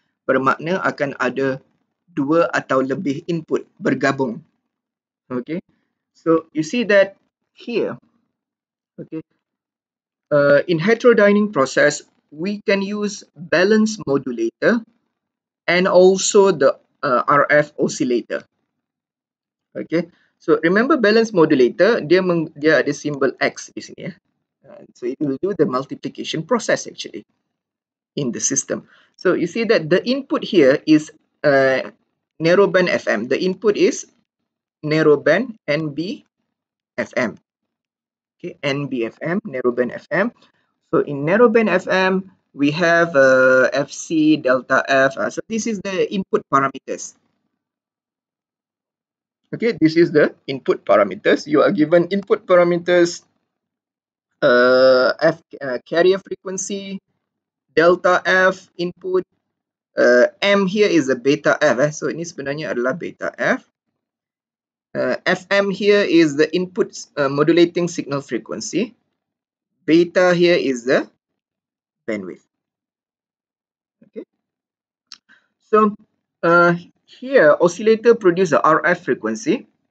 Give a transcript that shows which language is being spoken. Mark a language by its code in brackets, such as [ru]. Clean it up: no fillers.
[ms] Bermakna akan ada dua atau lebih input bergabung. [en] Okay, so you see that here. Okay, in heterodyning process, we can use balance modulator and also the RF oscillator. Okay, so remember [ms] balance modulator, dia ada symbol X di sini ya. [en] So it will do the multiplication process actually in the system. So you see that the input here is narrowband FM. The input is narrowband NB FM. Okay, NB FM, narrowband FM. So in narrowband FM, we have FC, delta F. So this is the input parameters. Okay, this is the input parameters. You are given input parameters. Carrier frequency, delta F input, M here is a beta F. [ms] So ini sebenarnya adalah beta F. [en] FM here is the input modulating signal frequency. Beta here is the bandwidth. Okay. So here oscillator produce a RF frequency.